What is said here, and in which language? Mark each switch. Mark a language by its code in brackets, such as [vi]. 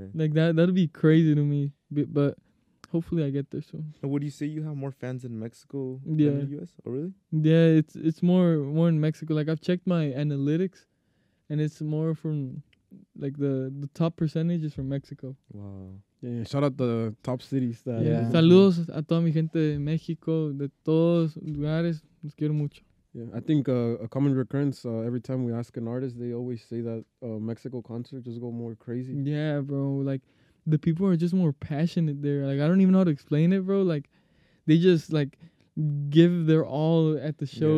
[en] Like that'd be crazy to me, but hopefully I get there soon. And would you say you have more fans in Mexico than the US? Oh, really? Yeah, it's more in Mexico. Like, I've checked my analytics, and it's more from like the top percentage is from Mexico. Wow. Yeah, shout out the top cities. That [es] Saludos a toda mi gente de México, de todos lugares. Los quiero mucho. [en] Yeah, I think a common recurrence, every time we ask an artist, they always say that Mexico concerts just go more crazy. Yeah, bro. Like, the people are just more passionate there. Like, I don't even know how to explain it, bro. Like, they just, like, give their all at the show.